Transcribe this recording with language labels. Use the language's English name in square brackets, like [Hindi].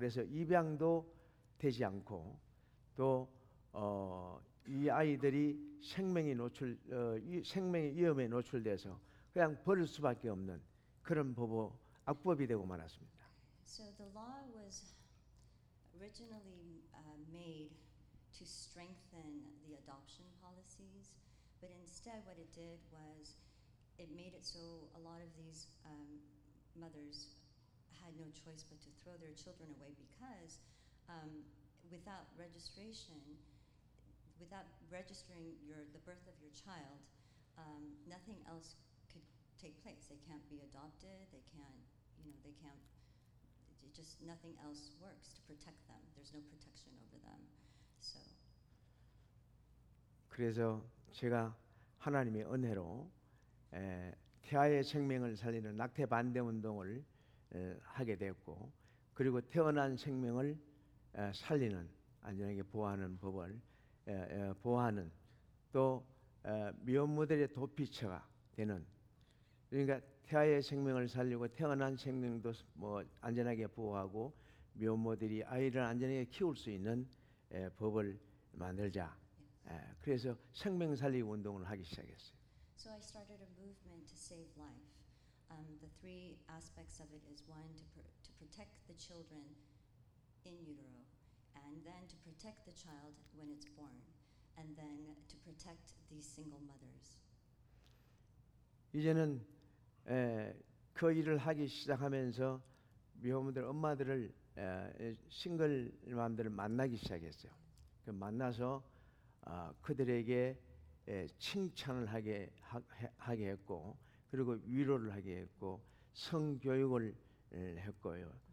[Korean] 그래서 입양도 되지 않고 또 이 아이들이 생명이 노출 생명의 위험에 노출돼서 그냥 버릴 수밖에 없는 그런 법으로 악법이 되고 말았습니다. [English] So the law was originally made to strengthen the adoption policies, but instead what it did was it made it so a lot of these mothers had no choice but to throw their children away because without registration, without registering the birth of your child, nothing else could take place. They can't be adopted, they can't, you know, they can't, just nothing else works to protect them. There's no protection over them, so. [Korean] 그래서 제가 하나님의 은혜로 태아의 생명을 살리는 낙태 반대 운동을 하게 됐고 그리고 태어난 생명을 살리는 안전하게 보호하는 법을 보호하는 또 미혼모들의 도피처가 되는 그러니까 태아의 생명을 살리고 태어난 생명도 뭐 안전하게 보호하고 미혼모들이 아이를 안전하게 키울 수 있는 법을 만들자 그래서 생명 살리기 운동을 하기 시작했어요. [English] So I started a movement to save life. The three aspects of it is one, to protect the children in utero, and then to protect the child when it's born, and then to protect these single mothers. [Korean] 이제는 그 일을 하기 시작하면서 미혼모들 엄마들을 싱글 맘들을 만나기 시작했어요. 그 만나서 그들에게 칭찬을 하게 했고 그리고 위로를 하게 했고 성교육을 했고요.